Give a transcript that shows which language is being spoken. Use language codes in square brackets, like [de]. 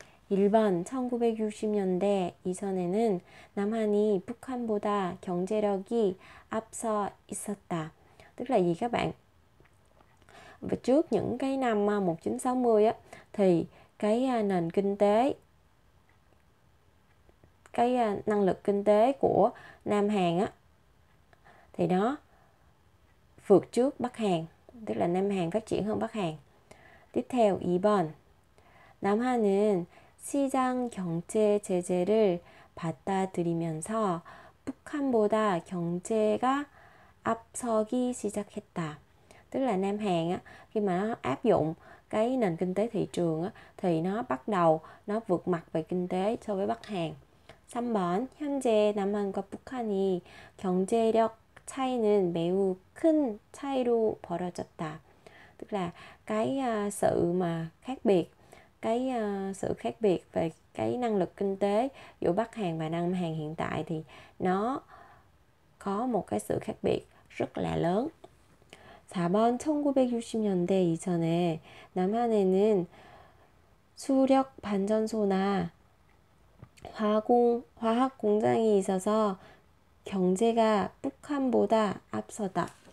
[ko] 1번, 1960년대 이전에는 남한이 북한보다 경제력이 앞서 있었다. [vi] Tức là gì các bạn? Và trước những cái năm 1960 á, thì cái nền kinh tế, cái năng lực kinh tế của Nam Hàn á, thì nó vượt trước Bắc Hàn, tức là Nam Hàn phát triển hơn Bắc Hàn. Tiếp theo 2번. [ko] 남한은 시장 경제 체제를 받아들이면서 북한보다 경제가 앞서기 시작했다. [vi] Tức là Nam Hàn á, khi mà nó áp dụng cái nền kinh tế thị trường á, thì nó bắt đầu nó vượt mặt về kinh tế so với Bắc Hàn. [ko] 3번. 현재 남한과 북한이 경제력 차이는 매우 큰 차이로 벌어졌다. [vi] Tức là cái sự mà khác biệt, cái sự khác biệt về cái năng lực kinh tế giữa Bắc Hàn và Nam Hàn hiện tại thì nó có một cái sự khác biệt rất là lớn. [ko] 4번, 1960년대 이전에 남한에는 수력 발전소나 화학 공장이 있어서 경제가 북한보다 앞서다.